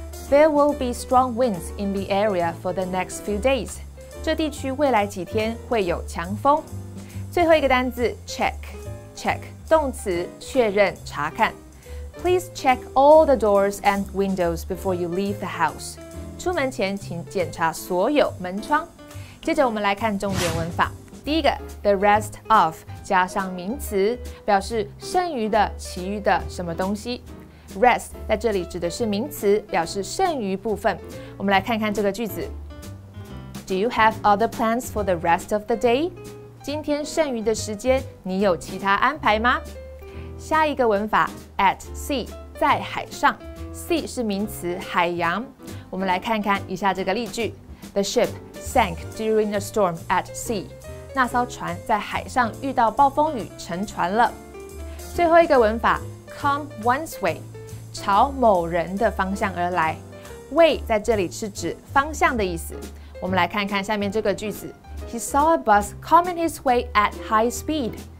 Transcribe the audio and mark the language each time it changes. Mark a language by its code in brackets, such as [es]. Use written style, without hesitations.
[en] There will be strong winds in the area for the next few days. [zh] 这地区未来几天会有强风。最后一个单字 check 动词，确认、查看。 [en] Please check all the doors and windows before you leave the house. [zh] 出门前请检查所有门窗。接着我们来看重点文法。第一个 ，the rest of 加上名词，表示剩余的、其余的什么东西。 rest 在这里指的是名词，表示剩余部分。我们来看看这个句子。 [en] Do you have other plans for the rest of the day? [zh] 今天剩余的时间，你有其他安排吗？下一个文法 ，at sea 在海上。 sea 是名词，海洋。我们来看看以下这个例句。 [en] The ship sank during a storm at sea. [zh] 那艘船在海上遇到暴风雨沉船了。最后一个文法 come one's way, 朝某人的方向而来。 way 在这里是指方向的意思。我们来看看下面这个句子。 [en] He saw a bus coming his way at high speed.